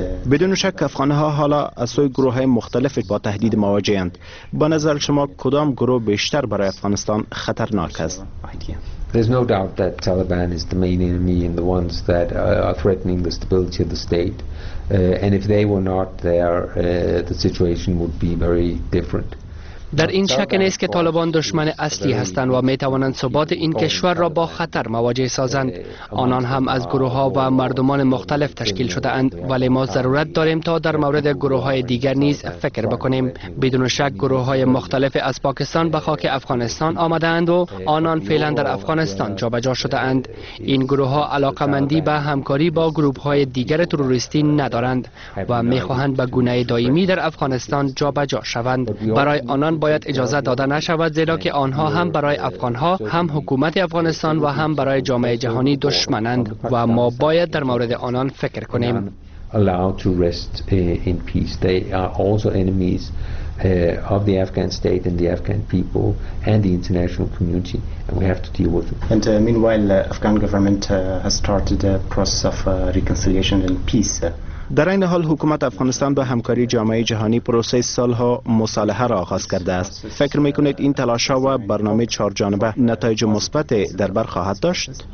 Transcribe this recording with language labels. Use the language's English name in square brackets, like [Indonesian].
[Persian] بدون شک افغانها حالا از سوی گروه های مختلف با تهدید مواجه اند. با نظر شما کدام گروه بیشتر برای افغانستان خطرناک است؟ [English] There's no doubt that Taliban is the main enemy and the ones that are threatening the stability of the state. And if they were not there, the situation would be very different. [Persian] در این شک نیست که طالبان دشمن اصلی هستند و می توانند ثبات این کشور را با خطر مواجه سازند. آنان هم از گروه ها و مردمان مختلف تشکیل شده اند، ولی ما ضرورت داریم تا در مورد گروه های دیگر نیز فکر بکنیم. بدون شک گروه های مختلف از پاکستان به خاک افغانستان آمده اند و آنان فعلا در افغانستان جابجا شده اند. این گروه ها علاقه مندی به همکاری با گروه های دیگر تروریستی ندارند و می خواهند به گونه دائمی در افغانستان جابجا شوند. برای آنان باید اجازه داده نشود، زیرا که آنها هم برای افغانها، هم حکومت افغانستان و هم برای جامعه جهانی دشمنند و ما باید در مورد آنان فکر کنیم. [English] Allowed to rest in peace. They are also enemies of the Afghan state and the Afghan people and the international community, and we have to deal with them. And meanwhile, the Afghan government has started a process of reconciliation and peace. [Persian] در این حال حکومت افغانستان با همکاری جامعه جهانی پروسه صلح و مصالحه را آغاز کرده است. فکر میکنید این تلاش ها و برنامه چهار جانبه نتایج مثبت در بر خواهد داشت؟